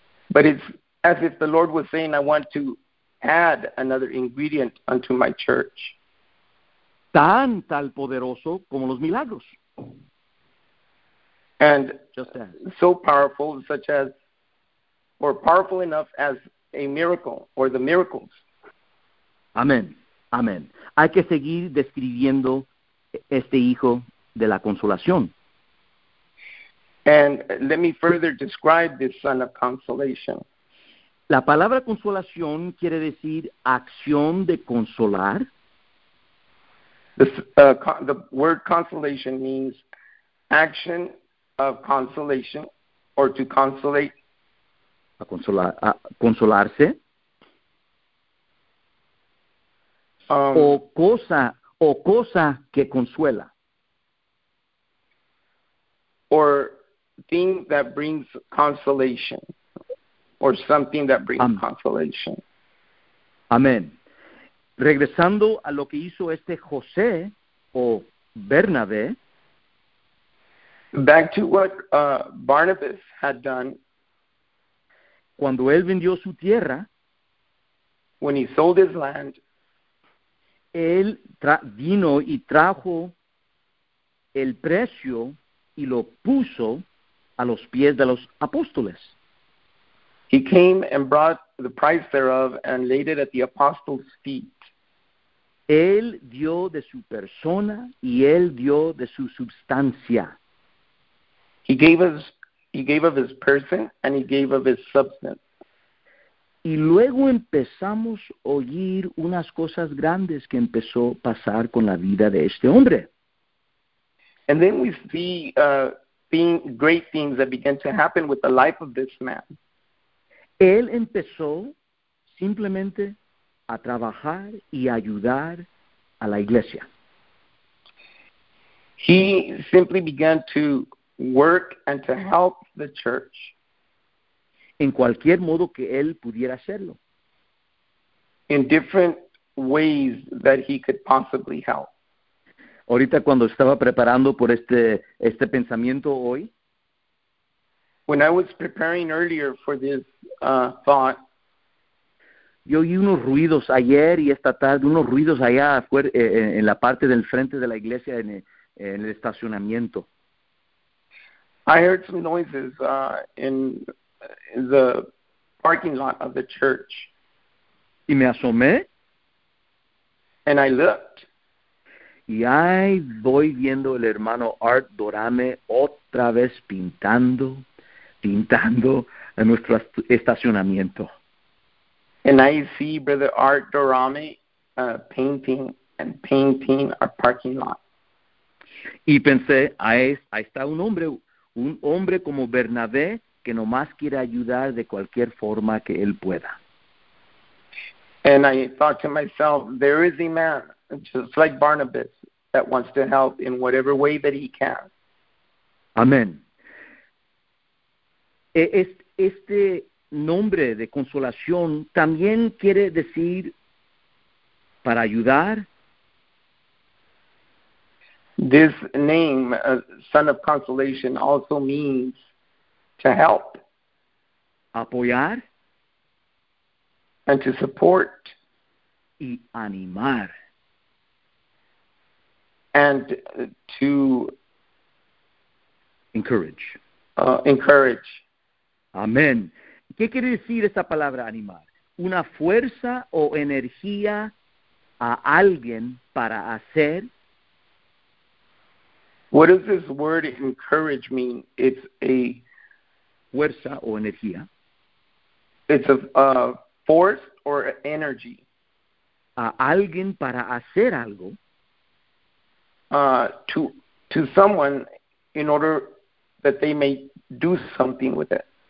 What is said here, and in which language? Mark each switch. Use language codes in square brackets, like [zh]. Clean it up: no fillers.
[en] But it's as if the Lord was saying, I want to add another ingredient unto my church. [es] Tan tal poderoso como los milagros. [en] And just that. So powerful, such as, or powerful enough as a miracle, or the miracles. [es] Amén. Amén. Hay que seguir describiendo este hijo de la consolación. [en] And let me further describe this son of consolation. [es] La palabra consolación quiere decir acción de consolar. [en] The word consolation means action of consolation or to consolate. [es] A consolarse. O cosa que consuela. [en] Or thing that brings consolation. Or something that brings consolation. [es] Amén. Regresando a lo que hizo este José o Bernabé. [en] Back to what Barnabas had done. [es] Cuando él vendió su tierra. [en] When he sold his land. [es] Él vino y trajo el precio y lo puso a los pies de los apóstoles. [en] He came and brought the price thereof and laid it at the apostles' feet. [es] Él dio de su persona y él dio de su substancia. [en] He gave of his person and he gave of his substance. [es] Y luego empezamos a oír unas cosas grandes que empezó a pasar con la vida de este hombre. [en] And then we see great things that began to happen with the life of this man. [es] Él empezó simplemente a trabajar y ayudar a la iglesia. [en] He simply began to work and to help the church. [es] En cualquier modo que él pudiera hacerlo. [en] In different ways that he could possibly help. [es] Ahorita cuando estaba preparando por este pensamiento hoy. [en] When I was preparing earlier for this thought. [es] Yo oí unos ruidos ayer y esta tarde, unos ruidos allá afuera, en la parte del frente de la iglesia, en el estacionamiento. [en] I heard some noises in the parking lot of the church. [es] Y me asomé. [en] And I looked. [es] Y ahí voy viendo el hermano Art Dorame otra vez pintando en nuestro estacionamiento. [en] And I see Brother Art Dorame painting our parking lot. [es] Y pensé, ahí está un hombre como Bernabé, que nomás quiere ayudar de cualquier forma que él pueda. [en] And I thought to myself, there is a man, just like Barnabas, that wants to help in whatever way that he can. [es] Amén. Este nombre de consolación también quiere decir para ayudar. [en] This name, son of consolation, also means to help. [es] Apoyar. [en] And to support. [es] Y animar. [en] And to encourage. Encourage. [es] Amén. ¿Qué quiere decir esta palabra animar? Una fuerza o energía a alguien para hacer. [en] What does this word encourage mean? It's a [es] fuerza o energía. [en] It's a force or energy. [es] A alguien para hacer algo. [en] To someone in order that they may do something with it.